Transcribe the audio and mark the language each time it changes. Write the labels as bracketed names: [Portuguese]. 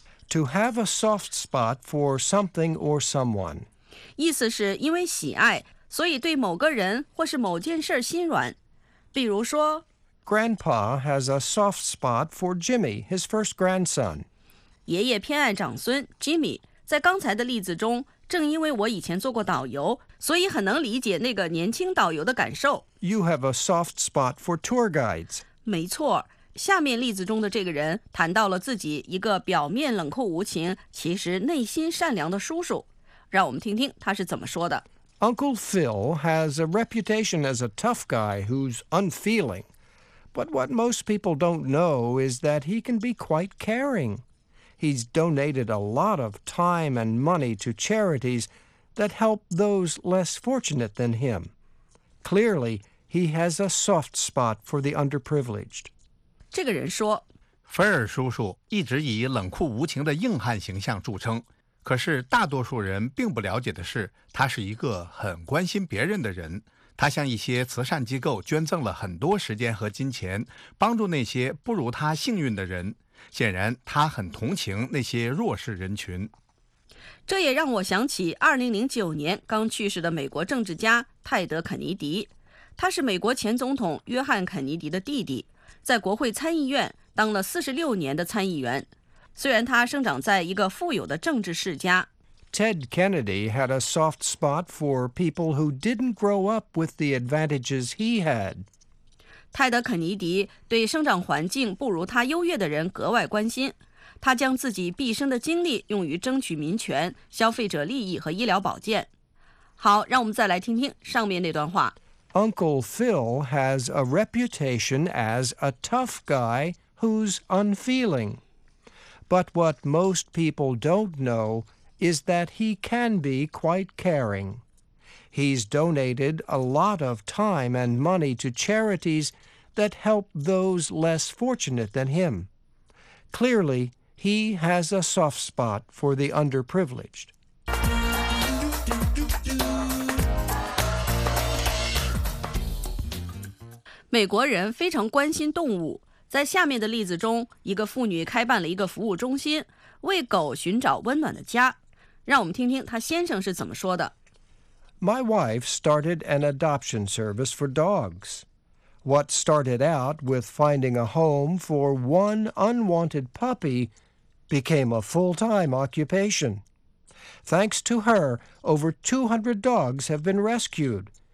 [English] To have a soft spot for something or someone. [Chinese] 意思是因为喜爱，所以对某个人或是某件事心软。比如说 [English] Grandpa has a soft spot for Jimmy, his first grandson. [Chinese] 爷爷偏爱长孙 Jimmy. 在刚才的例子中，正因为我以前做过导游，所以很能理解那个年轻导游的感受。 [English] You have a soft spot for tour guides. [Chinese] 没错。下面例子中的这个人谈到了自己一个表面冷酷无情，其实内心善良的叔叔。让我们听听他是怎么说的。 [English] Uncle Phil has a reputation as a tough guy who's unfeeling. But what most people don't know is that he can be quite caring. He's donated a lot of time and money to charities that help those less fortunate than him. Clearly, he has a soft spot for the underprivileged. [Chinese] 这个人说，菲尔叔叔一直以冷酷无情的硬汉形象著称，可是大多数人并不了解的是，他是一个很关心别人的人。他向一些慈善机构捐赠了很多时间和金钱，帮助那些不如他幸运的人。显然，他很同情那些弱势人群。这也让我想起2009年刚去世的美国政治家泰德·肯尼迪，他是美国前总统约翰·肯尼迪的弟弟。在国会参议院当了46年的参议员，虽然他生长在一个富有的政治世家。 [English] Ted Kennedy had a soft spot for people who didn't grow up with the advantages he had. [Chinese] 泰德·肯尼迪对生长环境不如他优越的人格外关心，他将自己毕生的精力用于争取民权、消费者利益和医疗保健。好，让我们再来听听上面那段话。 [English] Uncle Phil has a reputation as a tough guy who's unfeeling. But what most people don't know is that he can be quite caring. He's donated a lot of time and money to charities that help those less fortunate than him. Clearly, he has a soft spot for the underprivileged. [Chinese] 美国人非常关心动物。在下面的例子中，一个妇女开办了一个服务中心，为狗寻找温暖的家。让我们听听她先生是怎么说的。 [English] My wife started an adoption service for dogs. What started out with finding a home for one unwanted puppy became a full-time occupation. Thanks to her, over 200 dogs have been rescued.